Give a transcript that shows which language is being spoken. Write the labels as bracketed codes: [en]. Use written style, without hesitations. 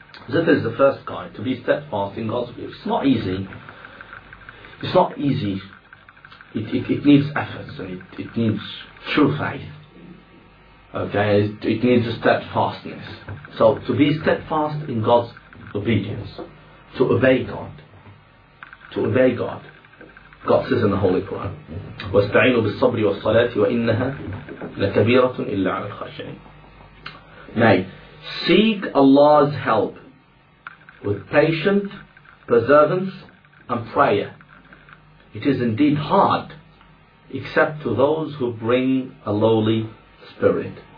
[en] So this is the first kind, to be steadfast in God's obedience. It's not easy. It needs efforts, and it needs true faith. Okay, it needs a steadfastness. So to be steadfast in God's obedience, to obey God. God says in the Holy Quran, [ar] وَاسْتَعِينُوا بِالصَّبْرِ وَالصَّلَاةِ وَإِنَّهَا لَكَبِيرَةٌ إِلَّا عَلَى الْخَاشِعِينَ. [en] Nay, seek Allah's help with patience, perseverance, and prayer. It is indeed hard, except to those who bring a lowly spirit.